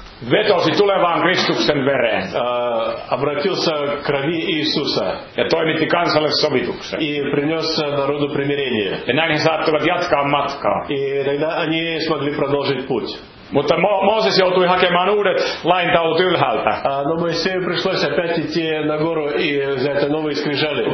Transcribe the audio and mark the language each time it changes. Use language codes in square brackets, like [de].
[fi] Vetosi tulevaan Kristuksen vereen. [ru] Обратился к крови Иисуса. [fi] Ja toimitti kansalle sovituksen. [ru] И принес народу примирение. [fi] Ja näin he saattavat jatkaa matkaa. [ru] И тогда они смогли продолжить путь. [fi] Mutta Mooses joutui hakemaan uudet laintaulut ylhäältä. [ru] No Moisei пришлось опять идти на гору и взять новые скрижали.